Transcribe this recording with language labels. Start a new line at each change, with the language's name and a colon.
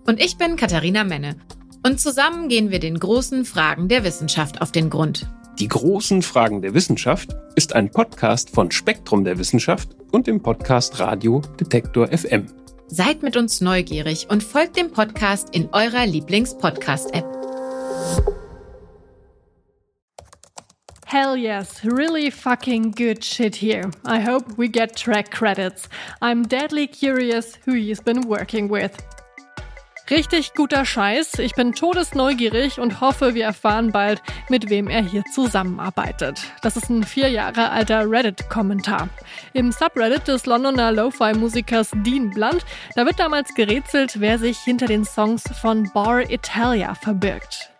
German: Und ich bin Katharina Menne. Und zusammen gehen wir den großen Fragen der Wissenschaft auf den Grund. Die großen Fragen der Wissenschaft ist ein Podcast von Spektrum der Wissenschaft und dem Podcast Radio Detektor FM. Seid mit uns neugierig und folgt dem Podcast in eurer Lieblings-Podcast-App.
English: Hell yes, really fucking good shit here. I hope we get track credits. I'm deadly curious who he's been working with.
German: Richtig guter Scheiß, ich bin todesneugierig und hoffe, wir erfahren bald, mit wem er hier zusammenarbeitet. Das ist ein 4 Jahre alter Reddit-Kommentar. Im Subreddit des Londoner Lo-Fi-Musikers Dean Blunt, da wird damals gerätselt, wer sich hinter den Songs von Bar Italia verbirgt.